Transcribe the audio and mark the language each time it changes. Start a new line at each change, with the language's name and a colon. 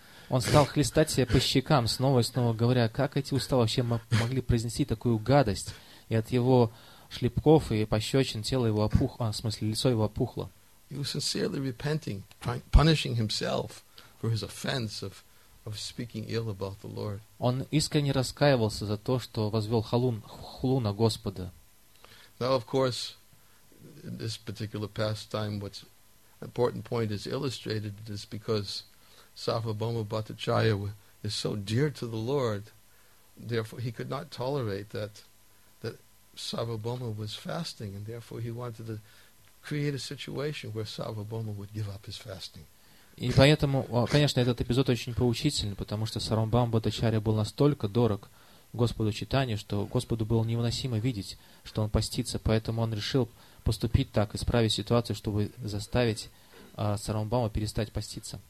Russian: Он стал хлестать себя по щекам, снова и снова говоря, как эти уста вообще могли произнести такую гадость. И от его шлепков и пощечин тело его опухло, в смысле, лицо его опухло.
English: He was sincerely repenting, punishing himself for his offense of speaking ill about the Lord.
Russian: Он искренне раскаивался за то, что возвел хулу на Господа.
English: Now, of course, in this particular pastime, what's an important point is illustrated is because Sarvabhauma Bhattacharya is so dear to the Lord, therefore he could not tolerate that Sarvabhauma was fasting, and therefore he wanted to create a situation where Sarvabhauma would give up his fasting.
Russian: И поэтому, конечно, этот эпизод очень поучительный, потому что Сарвабхаума Бхаттачарья был настолько дорог Господу Чайтанье, что Господу было невыносимо видеть, что он постится, поэтому он решил поступить так, исправить ситуацию, чтобы заставить Сарвабхаума перестать поститься.